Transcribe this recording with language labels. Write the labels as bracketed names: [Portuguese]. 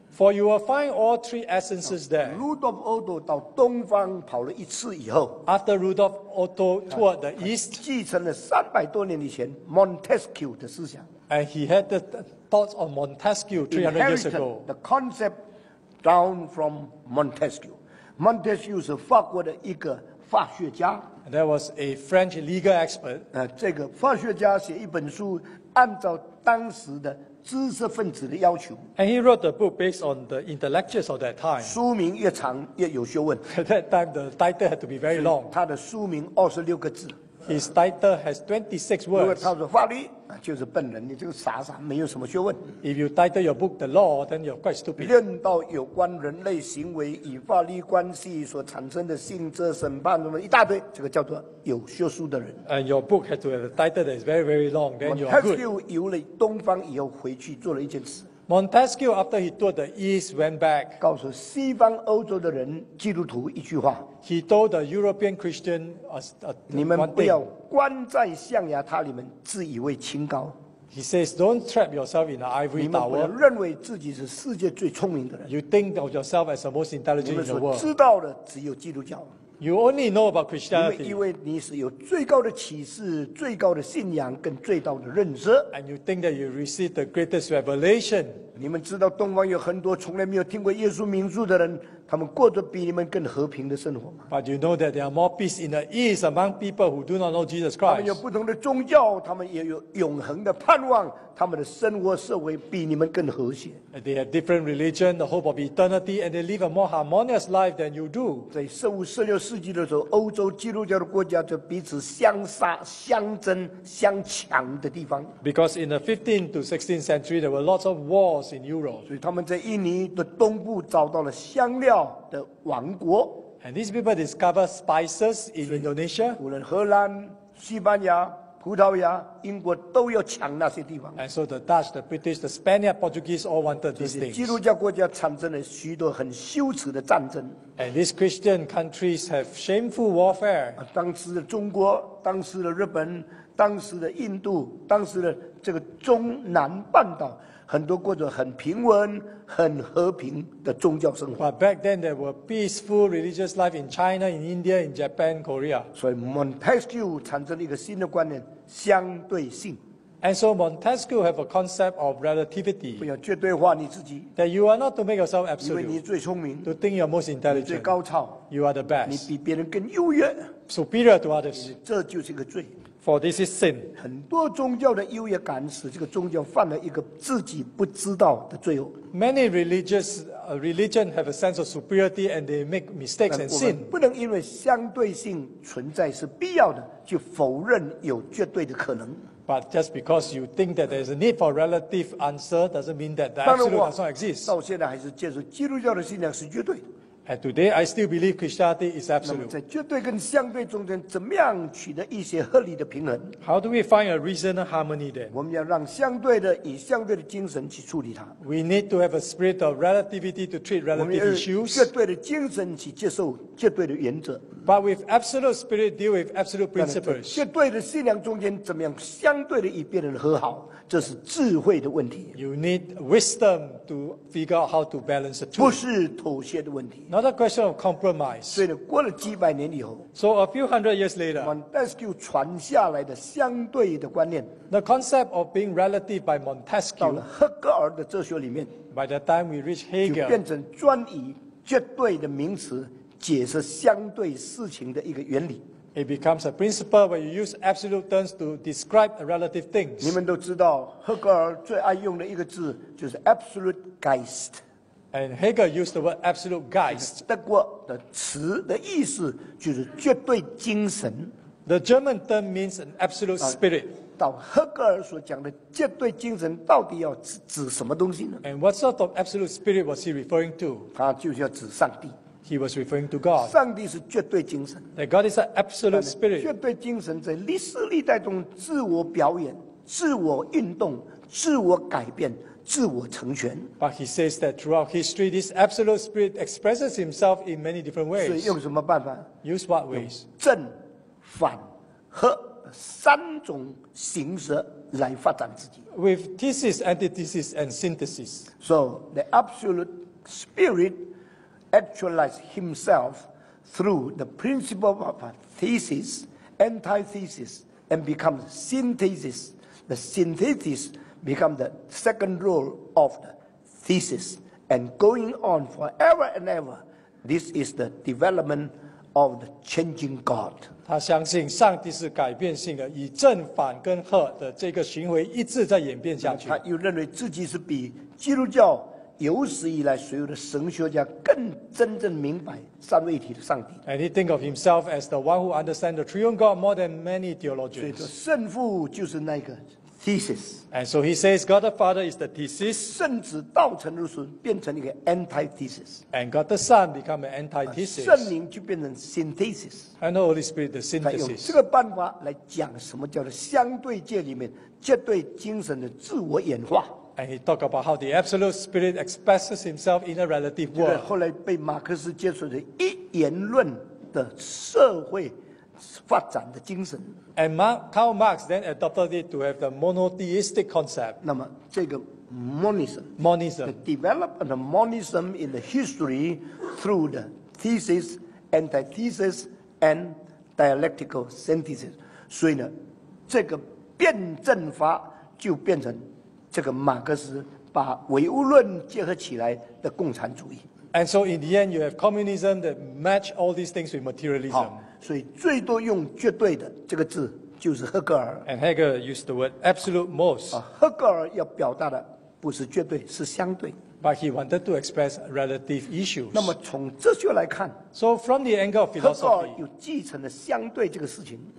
[English] For you will find all three essences there. [Chinese] Rudolf Otto 到东方跑了一次以后 [English] ，After Rudolf Otto toured the east, [Chinese] 继承了三百多年以前 Montesquieu 的思想。 [English] And he had the thoughts of Montesquieu 300 years ago. The concept. Down from Montesquieu. [Chinese] Montesquieu 是法国的一个法学家。 [English] That was a French legal expert. [Chinese] 这个法学家写一本书，按照当时的知识分子的要求。 [English] And he wrote the book based on the intellectuals of that time. [Chinese] 书名越长越有学问。 [English] At that time, the title had to be very long. [Chinese] 他的书名26个字。 [English] His title has 26 words. [Chinese] 如果他说法律，就是笨人，你这个傻傻，没有什么学问。 [English] If you title your book The Law, then you're quite stupid. [Chinese] 论到有关人类行为与法律关系所产生的性质、审判什么一大堆，这个叫做有学术的人。 [English] And your book has to have a title that is very, very long. Then you're good. [Chinese] Montesquieu 游了东方以后，回去做了一件事。 [English] Montesquieu, after he toured the East, went back. [Chinese] 告诉西方欧洲的人基督徒一句话。 [English] He told the European Christian, one thing. [Chinese] 你们不要关在象牙塔里面，自以为清高。 [English] He says, don't trap yourself in an ivory tower. [Chinese] 你们不要认为自己是世界最聪明的人。 [English] You think of yourself as the most intelligent in the world. [Chinese] 你们所知道的只有基督教。 [English] You only know about Christianity. [Chinese] 因为你是有最高的启示、最高的信仰跟最高的认知。 [English] And you think that you receive the greatest revelation. [Chinese] 你们知道东方有很多从来没有听过耶稣名字的人，他们过着比你们更和平的生活吗 [English] ？But you know that there are more peace in the East among people who do not know Jesus Christ. [Chinese] 他们有不同的宗教，他们也有永恒的盼望，他们的生活社会比你们更和谐。 [English] They have different religion, the hope of eternity, and they live a more harmonious life than you do. [Chinese] 在15、16世纪的时候，欧洲基督教的国家就彼此相杀、相争、相抢的地方。 [English] Because in the 15th to 16th century, there were lots of wars in Europe. [Chinese] 所以他们在印尼的东部找到了香料。的王国 [English] and these people discover spices in Indonesia. [Chinese] 无论荷兰、西班牙、葡萄牙、英国都要抢那些地方。 [English] And so the Dutch, the British, the Spaniard, Portuguese all wanted these things. [Chinese] 基督教国家产生了许多很羞耻的战争。 [English] And these Christian countries have shameful warfare. [Chinese] 当时的中国、当时的日本、当时的印度、当时的这个中南半岛。很多过着很平稳、很和平的宗教生活。 [English] But back then there were peaceful religious life in China, in India, in Japan, Korea. [Chinese] 所以 Montesquieu 产生了一个新的观念，相对性。 [English] And so Montesquieu have a concept of relativity. [Chinese] 不要绝对化你自己。 [English] That you are not to make yourself absolute. [Chinese] 因为你最聪明。 [English] To think you're most intelligent. [Chinese] 你最高超。 [English] You are the best. [Chinese] 你比别人更优越。 [English] Superior to others. [Chinese] 这就是一个罪。 [English] For this is sin. [Chinese] 很多宗教的优越感使这个宗教犯了一个自己不知道的罪恶。 [English] Many religion have a sense of superiority and they make mistakes and sin. [Chinese] 不能因为相对性存在是必要的，就否认有绝对的可能。 [English] But just because you think that there is a need for relative answer doesn't mean that the absolute does not exist. [Chinese] 到现在还是接受基督教的信仰是绝对的。 [English] And today, I still believe Christianity is absolute. [Chinese] 那么在绝对跟相对中间，怎么样取得一些合理的平衡 [English] ？How do we find a reasonable harmony there? [Chinese] 我们要让相对的以相对的精神去处理它。 [English] We need to have a spirit of relativity to treat relative issues. [Chinese] 绝对的精神去接受绝对的原则。 [English] But with absolute spirit, deal with absolute principles. [Chinese] 绝对的信仰中间，怎么样相对的与别人和好？这是智慧的问题。 [English] You need wisdom to figure out how to balance the two. [Chinese] 不是妥协的问题。 [English] Not a question of compromise. [Chinese] 所以过了几百年以后 [English] ，So a few hundred years later, [Chinese] Montesquieu 传下来的相对的观念 [English] ，The concept of being relative by Montesquieu [Chinese] 到了赫格尔的哲学里面 [English] ，By the time we reach Hegel, [Chinese] 就变成专以绝对的名词解释相对事情的一个原理。 [English] It becomes a principle where you use absolute terms to describe relative things. [Chinese] 你们都知道，赫格尔最爱用的一个字就是 absolute Geist。 [English] And Hegel used the word absolute Geist. [Chinese] 德国的词的意思就是绝对精神。 [English] The German term means an absolute spirit. [Chinese] 到赫格尔所讲的绝对精神到底要指什么东西呢 [English] ？And what sort of absolute spirit was he referring to? [Chinese] 他就是要指上帝。 [English] He was referring to God. [Chinese] 上帝是绝对精神。 [English] That God is an absolute spirit. [Chinese] 绝对精神在历史历代中自我表演、自我运动、自我改变。自我成全。 [English] But he says that throughout history, this absolute spirit expresses himself in many different ways. [Chinese] 所以用什么办法 [English] ？Use what ways？ [Chinese] 正、反、合三种形式来发展自己。 [English] With thesis, antithesis, and synthesis. So the absolute spirit actualizes himself through the principle of thesis, antithesis, and becomes synthesis. The synthesis. Become the second rule of the thesis and going on forever and ever. This is the development of the changing God. [Chinese] 他相信上帝是改变性的，以正反跟合的这个循环一直在演变下去。他又认为自己是比基督教有史以来所有的神学家更真正明白三位一体的上帝。 [English] And he think of himself as the one who understands the triune God more than many theologians. [Chinese] 所以说圣父就是那个。Thesis. [English] And so he says, God the Father is the thesis. [Chinese] 甚至道成肉身变成一个 antithesis. [English] And God the Son become an antithesis. [Chinese] 圣灵就变成 synthesis. [English] And the Holy Spirit the synthesis. [Chinese] 他用这个办法来讲什么叫做相对界里面绝对精神的自我演化。 [English] And he talk about how the absolute spirit expresses himself in a relative world. [Chinese] 后来被马克思接触的一元论的社会。发展的精神。 [English] And Karl Marx then adopted it to have the monotheistic concept. [Chinese] 那么这个 monism, [English] monism, the development of monism in the history through the thesis, antithesis, and dialectical synthesis. [Chinese] 所以呢，这个辩证法就变成这个马克思把唯物论结合起来的共产主义。 [English] And so in the end, you have communism that match all these things with materialism. [Chinese] 所以最多用绝对的这个字就是赫格尔。 [English] And Hegel used the word absolute most. [Chinese] 赫格尔要表达的不是绝对，是相对。 [English] But he wanted to express relative issues. [Chinese] 那么从哲学来看 [English] ，So from the angle of philosophy, [Chinese] 赫格尔又继承了相对这个事情。